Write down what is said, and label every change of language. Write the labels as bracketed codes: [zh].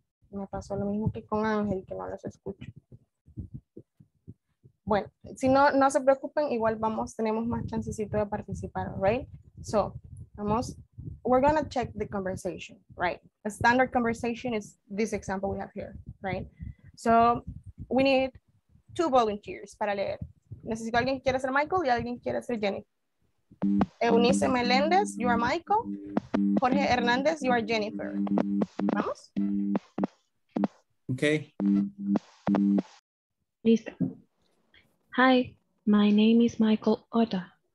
[es] Me pasó lo mismo que con Ángel, que no las escucho. Bueno, si no, no se preocupen, igual vamos, tenemos más chancecito de participar, [en] right? So, [es] vamos, [en] we're gonna check the conversation, right? A standard conversation is this example we have here, right? So, we need two volunteers [es] para leer. Necesito a alguien que quiera ser Michael y alguien que quiera ser Jenny. [en] Eunice Meléndez, you are Michael. Jorge Hernández, you are Jennifer. [es] Vamos. [en] Okay. [es] Listo. [en] Hi, my name is Michael Ota.